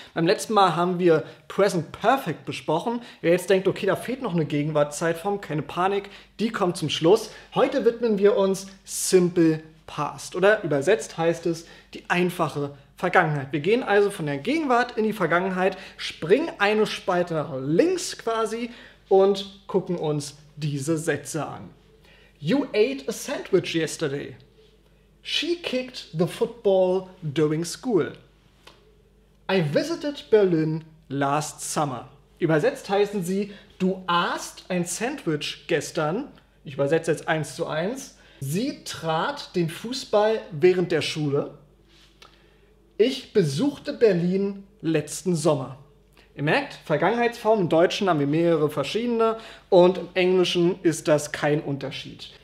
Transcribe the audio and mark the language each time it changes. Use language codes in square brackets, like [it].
[de] Beim letzten Mal haben wir Present Perfect besprochen. Wer jetzt denkt, okay, da fehlt noch eine Gegenwartszeitform, keine Panik, die kommt zum Schluss. Heute widmen wir uns Simple Past, oder übersetzt heißt es die einfache Vergangenheit. Wir gehen also von der Gegenwart in die Vergangenheit, springen eine Spalte nach links quasi und gucken uns diese Sätze an. [en] You ate a sandwich yesterday. She kicked the football during school. I visited Berlin last summer. [de] Übersetzt heißen sie, du aßt ein Sandwich gestern. Ich übersetze jetzt 1:1. Sie trat den Fußball während der Schule. Ich besuchte Berlin letzten Sommer. Ihr merkt, Vergangenheitsform, im Deutschen haben wir mehrere verschiedene und im Englischen ist das kein Unterschied.